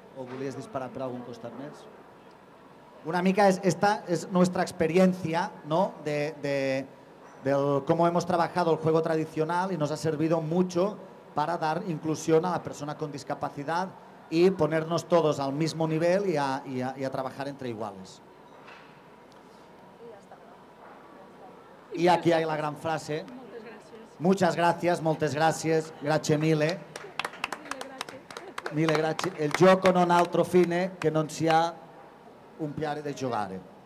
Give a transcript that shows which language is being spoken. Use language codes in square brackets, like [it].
[ca] ¿O volies disparar per algun costat més? [es] Una mica esta es nuestra experiencia, ¿no? De cómo hemos trabajado el juego tradicional y nos ha servido mucho para dar inclusión a la persona con discapacidad y ponernos todos al mismo nivel y a trabajar entre iguales. Y aquí hay la gran frase. Muchas gracias, [ca] moltes gràcies, [it] grazie mille. Mille grazie. El gioco non ha altro fine che non sia un piacere di giocare.